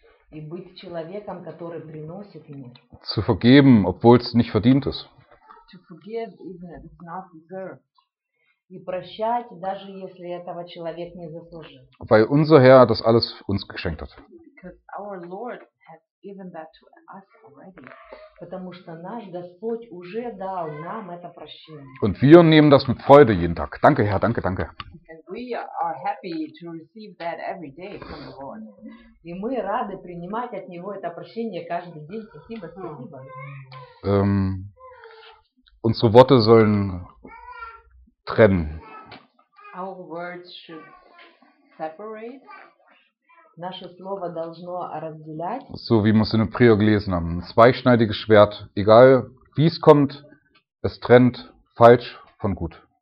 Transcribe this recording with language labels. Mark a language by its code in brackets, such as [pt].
[ru] И быть человеком, который приносит мир. [de] Zu vergeben, obwohl es nicht verdient ist. [en] To forgive even if it's not deserved. [ru] И прощать, даже если этого человек не заслужил. [de] Weil unser Herr das alles uns geschenkt hat. [en] Because our Lord has given that to us already. [ru] Потому что наш Господь уже дал нам это прощение. [de] Und wir nehmen das mit Freude jeden Tag. Danke, Herr, danke, danke. [en] And we are happy to receive that every day from the Lord. [ru] И мы рады принимать от Него это прощение каждый день. Спасибо, спасибо. [de] Unsere Worte sollen trennen. [en] Our words should separate. [ru] Наше слово должно разделять. [de] So wie wir es in der Prior gelesen haben. Ein zweischneidiges Schwert. Egal wie es kommt, es trennt falsch von gut.